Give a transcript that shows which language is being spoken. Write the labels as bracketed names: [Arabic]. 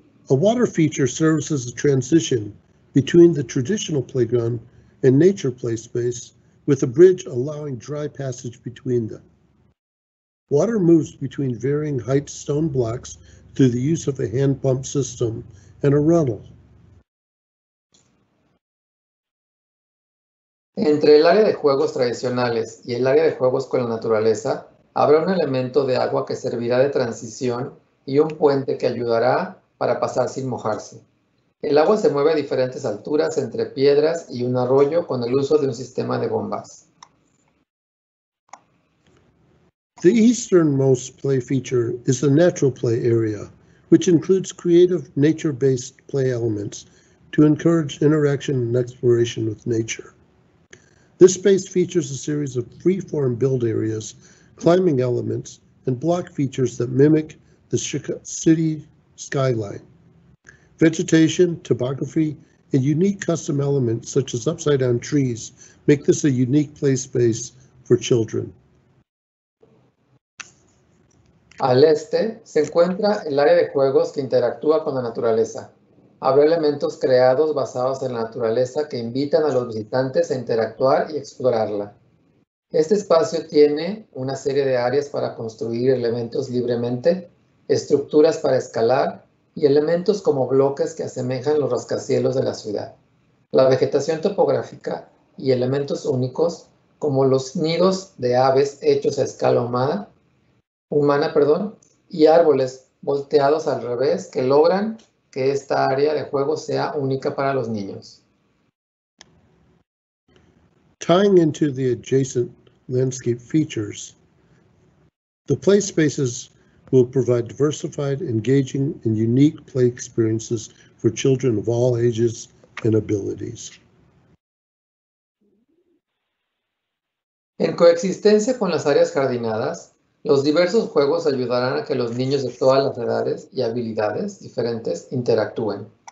[English] A water feature serves as a transition between the traditional playground and nature play space, with a bridge allowing dry passage between them. Water moves between varying height stone blocks through the use of a hand pump system and a runnel. [Spanish] Entre el área de juegos tradicionales y el área de juegos con la naturaleza, habrá un elemento de agua que servirá de transición y un puente que ayudará para pasar sin mojarse. El agua se mueve a diferentes alturas entre piedras y un arroyo con el uso de un sistema de bombas. [English] The easternmost play feature is the natural play area, which includes creative nature-based play elements to encourage interaction and exploration with nature. This space features a series of freeform build areas, climbing elements, and block features that mimic the city skyline. Vegetation, topography, and unique custom elements such as upside-down trees make this a unique play space for children. [Spanish] Al este se encuentra el área de juegos que interactúa con la naturaleza. Habrá elementos creados basados en la naturaleza que invitan a los visitantes a interactuar y explorarla. Este espacio tiene una serie de áreas para construir elementos libremente, estructuras para escalar y elementos como bloques que asemejan los rascacielos de la ciudad. La vegetación topográfica y elementos únicos como los nidos de aves hechos a escala humana, y árboles volteados al revés que logran que esta área de juego sea única para los niños. [English] Tying into the adjacent landscape features, the play spaces will provide diversified, engaging, and unique play experiences for children of all ages and abilities. [Spanish] En coexistencia con las áreas jardinadas, los diversos juegos ayudarán a que los niños de todas las edades y habilidades diferentes interactúen.